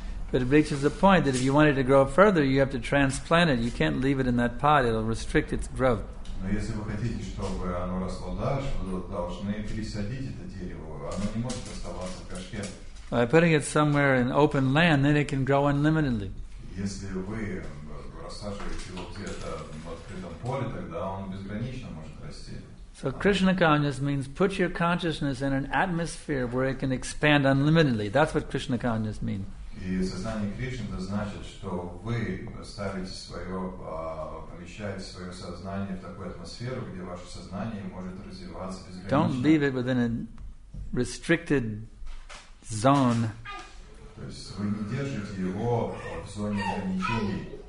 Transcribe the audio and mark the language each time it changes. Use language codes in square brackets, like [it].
[en] But it reaches a point that if you wanted to grow further, you have to transplant it. You can't leave it in that pot. It'll restrict its growth. [ru] Но если вы хотите, чтобы оно росло дальше, вы должны пересадить это дерево. Оно не может оставаться в горшке. [en] By putting it somewhere in open land, then it can grow unlimitedly. [ru] Если вы рассаживаете его где-то в открытом поле, тогда он безгранично может расти. [en] So Krishna consciousness means put your consciousness in an atmosphere where it can expand unlimitedly. That's what Krishna consciousness means. [ru] И сознание Кришны это значит, что вы ставите свое, помещаете свое сознание в такую атмосферу, где ваше сознание может развиваться безгранично. [en] Don't leave it within a restricted zone. [ru] То есть вы не держите его в зоне ограничений.